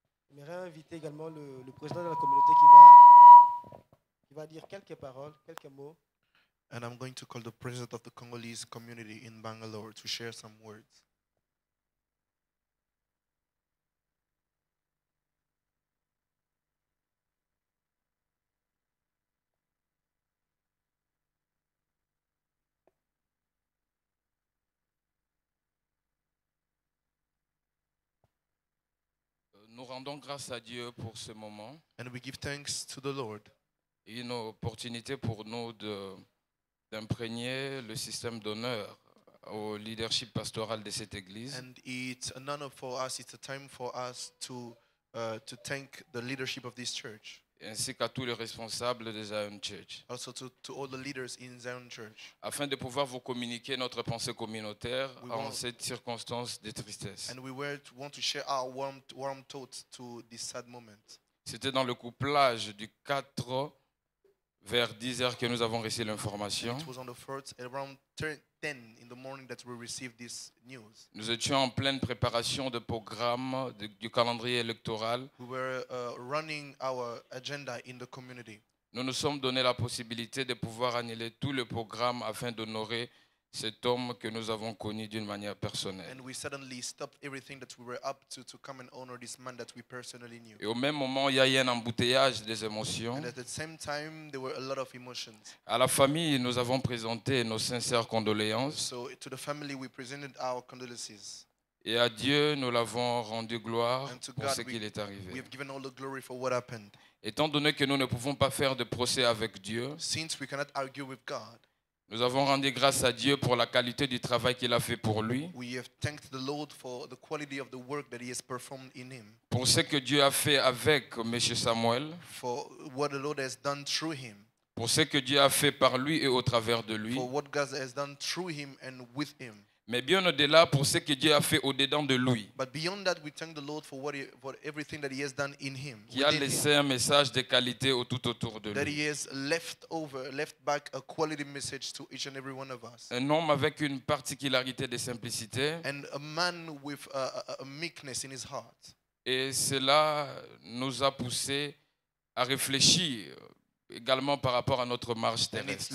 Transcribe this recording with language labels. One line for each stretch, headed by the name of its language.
French: J'aimerais inviter également le président de la communauté qui va dire quelques paroles, quelques mots.
English: And I'm going to call the president of the Congolese community in Bangalore to share some words.
French: Nous rendons grâce à Dieu pour ce moment.
English: And we give thanks to the Lord.
French: Une opportunité pour nous d'imprégner le système d'honneur au leadership pastoral de cette église.
English: And it's an honor for us. It's a time for us to thank the leadership of this church.
French: Ainsi qu'à tous les responsables de Zion Church.
English: Also to all the leaders in Zion Church.
French: Afin de pouvoir vous communiquer notre pensée communautaire en cette circonstance de tristesse.
English: And we want to share our warm thoughts to this sad moment.
French: C'était dans le couplage du 4 vers 10 heures que nous avons reçu l'information.
English: It was on the first, around 10 in the morning that we received this news.
French: Nous étions en pleine préparation de programme du calendrier électoral.
English: We were running our agenda in the community.
French: Nous nous sommes donné la possibilité de pouvoir annuler tout le programme afin d'honorer cet homme que nous avons connu d'une manière personnelle.
English: And we suddenly stopped everything that we were up to come and honor this man that we personally knew.
French: Et au même moment, il y a eu un embouteillage des émotions.
English: And at the same time, there were a lot of emotions.
French: À la famille, nous avons présenté nos sincères condoléances.
English: So to the family, we presented our condolences.
French: Et à Dieu, nous l'avons rendu gloire pour ce qu'il est arrivé.
English: We have given all the glory for what happened.
French: Étant donné que nous ne pouvons pas faire de procès avec Dieu,
English: since we cannot argue with God,
French: nous avons rendu grâce à Dieu pour la qualité du travail qu'il a fait pour lui.
English: We have thanked the Lord for the quality of the work that he has performed in him.
French: Pour ce que Dieu a fait avec M. Samuel.
English: For what the Lord has done through him.
French: Pour ce que Dieu a fait par lui et au travers de lui.
English: For what God has done through him and with him.
French: Mais bien au-delà, pour ce que Dieu a fait au-dedans de lui.
English: But beyond that, we thank the Lord for what he, for everything that he has done in him.
French: Qui a laissé un message de qualité tout autour de lui.
English: That he has left back a quality message to each and every one of us.
French: Un homme avec une particularité de simplicité.
English: And a man with a meekness in his heart.
French: Et cela nous a poussé à réfléchir également par rapport à notre marche terrestre.